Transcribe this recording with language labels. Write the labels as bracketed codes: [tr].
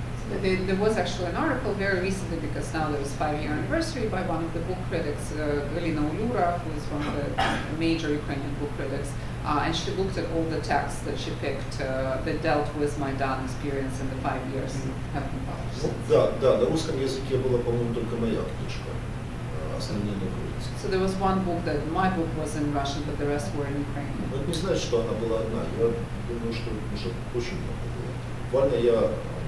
[en] There was actually an article very recently, because now there is 5-year anniversary, by one of the book critics, Galina Ulyura, who is one of the major Ukrainian book critics, and she looked at all the texts that she picked that dealt with Maidan experience in the 5 years that have been published. [ru] Да, на русском языке была, по-моему, только моя книжка. [en] So there was one book that my book was in Russian, but the rest were in Ukrainian.